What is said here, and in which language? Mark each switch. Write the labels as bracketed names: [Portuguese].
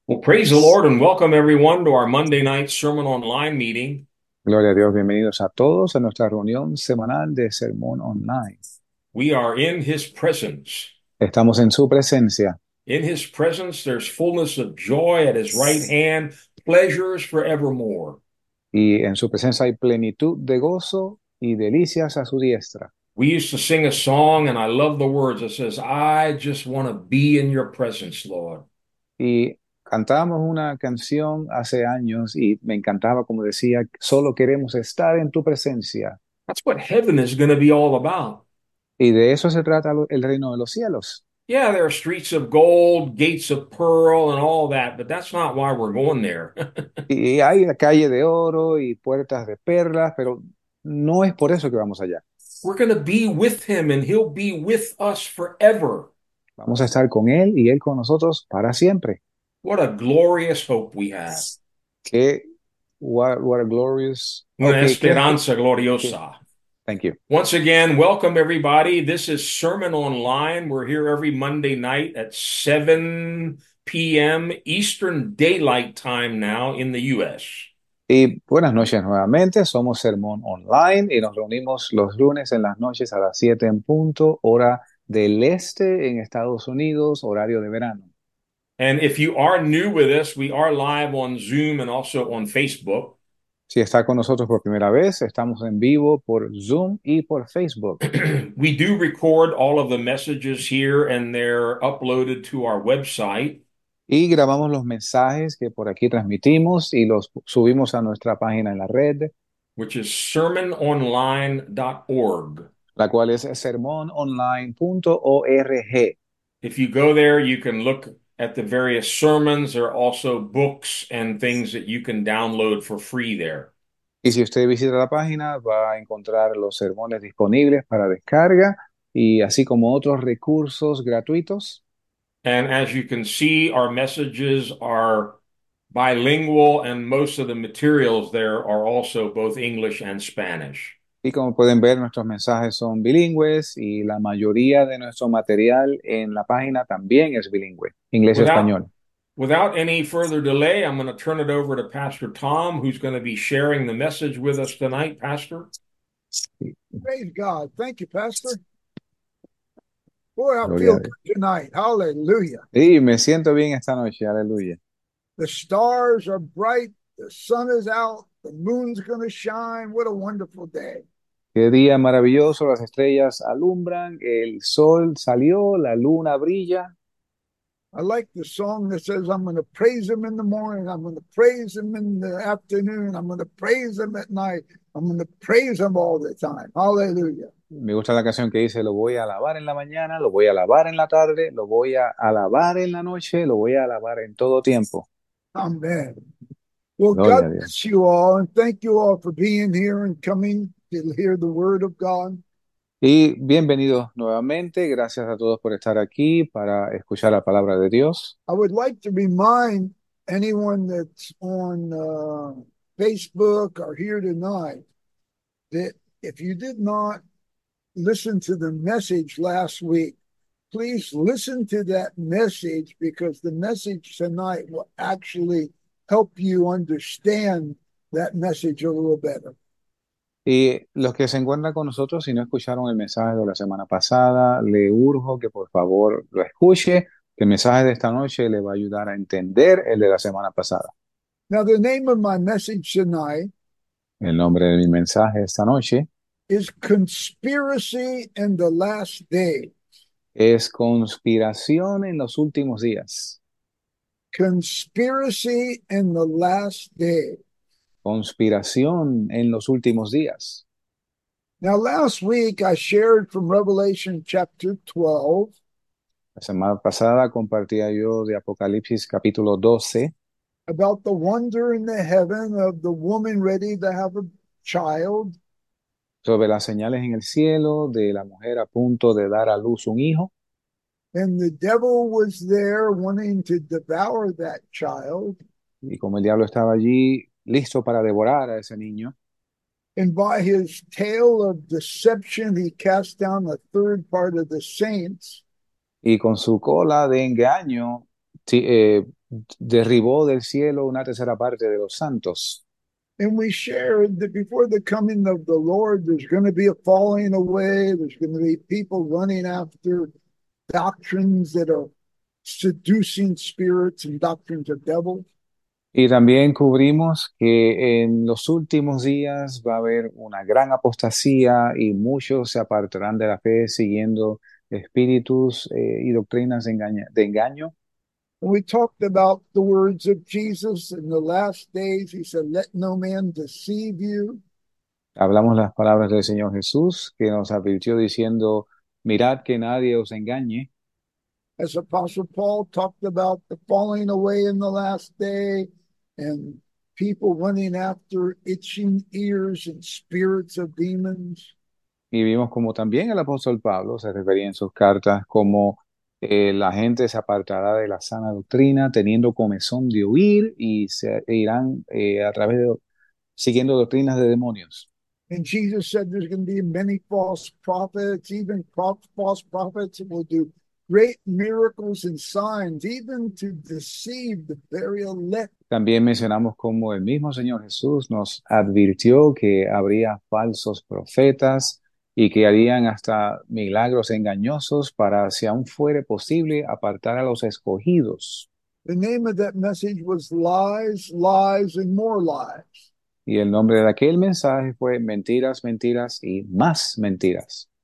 [English] Well, praise the Lord and welcome everyone to our Monday night Sermon Online meeting. [Spanish] Gloria a Dios, bienvenidos a todos a nuestra reunión semanal de Sermón Online. [English] We are in His presence. [Spanish] Estamos en su presencia. [English] In His presence, there's fullness of joy at His right hand, pleasures forevermore. [Spanish] Y en su presencia hay plenitud de gozo y delicias a su diestra. [English] We used to sing a song, and I love the words. It says, I just want to be in your presence, Lord. [Spanish] Y cantábamos una canción hace años y me encantaba, como decía, solo queremos estar en tu presencia. [English] That's what heaven is going to be all about. [Spanish] Y de eso se trata el reino de los cielos. [English] Yeah, there are streets of gold, gates of pearl, and all that, but that's not why we're going there. [Spanish] Y hay la calle de oro y puertas de perlas, pero no es por eso que vamos allá. [English] We're going to be with him, and he'll be with us forever. [Spanish] Vamos a estar con él y él con nosotros para siempre. [English] What a glorious hope we have. What a glorious. [Spanish] Una Okay, ¿qué es? esperanza gloriosa. [English] Thank you. Once again, welcome everybody. This is Sermon Online. We're here every Monday night at 7 p.m. Eastern Daylight Time now in the U.S. [Spanish] Y buenas noches nuevamente. Somos Sermón Online y nos reunimos los lunes en las noches a las 7 en punto, hora del este en Estados Unidos, horario de verano. [English] And if you are new with us, we are live on Zoom and also on Facebook. [Spanish] Si está con nosotros por primera vez, estamos en vivo por Zoom y por Facebook. [English] We do record all of the messages here and they're uploaded to our website. [Spanish] Y grabamos los mensajes que por aquí transmitimos y los subimos a nuestra página en la red, [English] Which is sermononline.org. [Spanish] la cual es sermononline.org. [English] If you go there, you can look at the various sermons. There are also books and things that you can download for free there. [Spanish] Y si usted visita la página, va a encontrar los sermones disponibles para descarga y así como otros recursos gratuitos. [English] And as you can see, our messages are bilingual, and most of the materials there are also both English and Spanish. [Spanish] Y como pueden ver, nuestros mensajes son bilingües y la mayoría de nuestro material en la página también es bilingüe, inglés y español. [English] Without any further delay, I'm going to turn it over to Pastor Tom, who's going to be sharing the message with us tonight, Pastor. Praise God. Thank you, Pastor. Boy, I [Spanish] Gloria a [English] feel [Spanish] Dios. [English] good tonight. Hallelujah. [Spanish] Y me siento bien esta noche. Aleluya. [English] The stars are bright. The sun is out. The moon's going to shine. What a wonderful day. [Spanish] Qué día maravilloso. Las estrellas alumbran. El sol salió. La luna brilla. [English] I like the song that says, I'm going to praise him in the morning. I'm going to praise him in the afternoon. I'm going to praise him at night. I'm going to praise him all the time. Hallelujah. [Spanish] Me gusta la canción que dice, lo voy a alabar en la mañana, lo voy a alabar en la tarde, lo voy a alabar en la noche, lo voy a alabar en todo tiempo. [English] Amen. Well, [Spanish] Gloria a [English] God [Spanish] Dios. [English] bless you all, and thank you all for being here and coming to hear the word of God. [Spanish] Y bienvenidos nuevamente. Gracias a todos por estar aquí para escuchar la palabra de Dios. [English] I would like to remind anyone that's on Facebook or here tonight that if you did not listen to the message last week, please listen to that message because the message tonight will actually help you understand that message a little better. [Spanish] Y los que se encuentran con nosotros, si no escucharon el mensaje de la semana pasada, le urjo que por favor lo escuche, que el mensaje de esta noche le va a ayudar a entender el de la semana pasada. [English] Now, the name of my message tonight [Spanish] El nombre de mi mensaje esta noche [English] is Conspiracy in the Last Days. [Spanish] es conspiración en los últimos días. [English] Conspiracy in the Last Days. [Spanish] Conspiración en los últimos días. [English] Now, last week I shared from Revelation chapter 12. [Spanish] La semana pasada compartía yo de Apocalipsis capítulo 12. [English] About the wonder in the heaven of the woman ready to have a child. [Spanish] Sobre las señales en el cielo de la mujer a punto de dar a luz un hijo. [English] And the devil was there wanting to devour that child. [Spanish] Y como el diablo estaba allí, listo para devorar a ese niño. [English] And by his tale of deception, he cast down a third part of the saints. [Spanish] Y con su cola de engaño, Sí, derribó del cielo una tercera parte de los santos. [English] And we shared that before the coming of the Lord, there's going to be a falling away. There's going to be people running after doctrines that are seducing spirits and doctrines of devils. [Spanish] Y también cubrimos que en los últimos días va a haber una gran apostasía y muchos se apartarán de la fe siguiendo espíritus y doctrinas de engaño. [English] We talked about the words of Jesus in the last days. He said, "Let no man deceive you." [Spanish] Hablamos las palabras del Señor Jesús que nos advirtió diciendo, mirad que nadie os engañe. [English] As Apostle Paul talked about the falling away in the last day and people running after itching ears and spirits of demons. [Spanish] Y vimos como también el apóstol Pablo se refería en sus cartas, como la gente se apartará de la sana doctrina, teniendo comezón de oír y se irán a través de, siguiendo doctrinas de demonios. [English] And Jesus said there's going to be many false prophets, even false prophets will do great miracles and signs, even to deceive the very elect. [Spanish] También mencionamos cómo el mismo Señor Jesús nos advirtió que habría falsos profetas y que harían hasta milagros engañosos para, si aún fuere posible, apartar a los escogidos. [English] The name of that message was lies, lies, and more lies. [Spanish] Y el nombre de aquel mensaje fue mentiras, mentiras y más mentiras.